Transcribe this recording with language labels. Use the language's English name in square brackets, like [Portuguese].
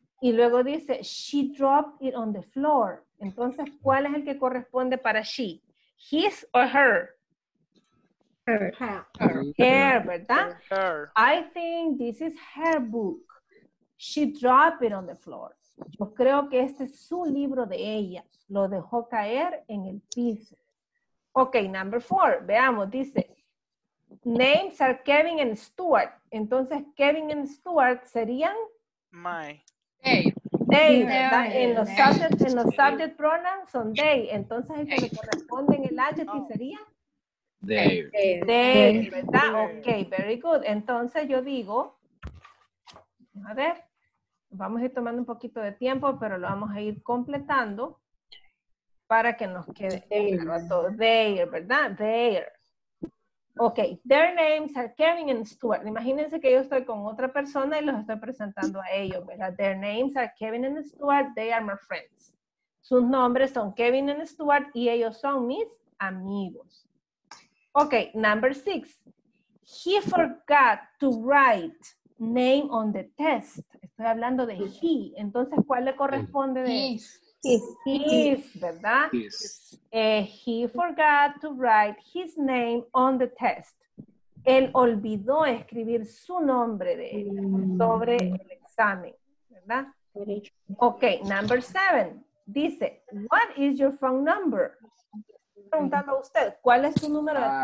[Spanish] Y luego dice, [English] she dropped it on the floor. [Spanish] Entonces, ¿cuál es el que corresponde para she? [English] His or her? Her. [Spanish] ¿Verdad? [English] Her. I think this is her book. She dropped it on the floor. [Spanish] Yo creo que este es su libro de ella. Lo dejó caer en el piso. [English] Ok, number four. [Spanish] Veamos, dice. [English] Names are Kevin and Stuart. Entonces, Kevin and Stuart serían? My. They. [Spanish] They. En los subject pronouns son they. Entonces, el que le corresponde en el adjective sería? [English] They. [Spanish] They, ¿verdad? [English] Ok, very good. [Spanish] Entonces, yo digo, a ver. Vamos a ir tomando un poquito de tiempo, pero lo vamos a ir completando para que nos quede claro todo. [English] There, ¿verdad? There. Ok, their names are Kevin and Stuart. [Spanish] Imagínense que yo estoy con otra persona y los estoy presentando a ellos, ¿verdad? [English] Their names are Kevin and Stuart, they are my friends. [Spanish] Sus nombres son Kevin and Stuart y ellos son mis amigos. [English] Ok, number six. He forgot to write name on the test. [Spanish] Estoy hablando de he. Entonces, ¿cuál le corresponde? [English] His. His, ¿verdad? His. He forgot to write his name on the test. [Spanish] Él olvidó escribir su nombre de él sobre el examen, ¿verdad? [English] Ok, number seven. Dice, what is your phone number? [Spanish] Estoy preguntando a usted, ¿cuál es su número?